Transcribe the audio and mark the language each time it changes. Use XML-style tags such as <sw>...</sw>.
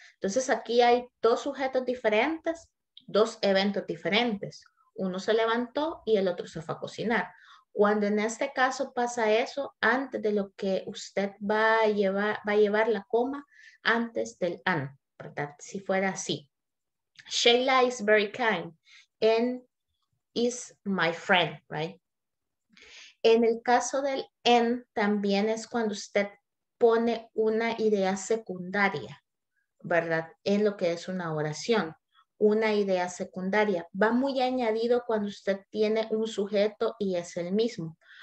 <es>Entonces, aquí hay dos sujetos diferentes, dos eventos diferentes. Uno se levantó y el otro se fue a cocinar. Cuando en este caso pasa eso, antes de lo que usted va a llevar la coma, antes del an, ¿verdad? Si fuera así.</es> <en>Sheila is very kind and is my friend, right?</en> <es>En el caso del en, también es cuando usted pone una idea secundaria, ¿verdad? En lo que es una oración. Una idea secundaria. Va muy añadido cuando usted tiene un sujeto y es el mismo.</es>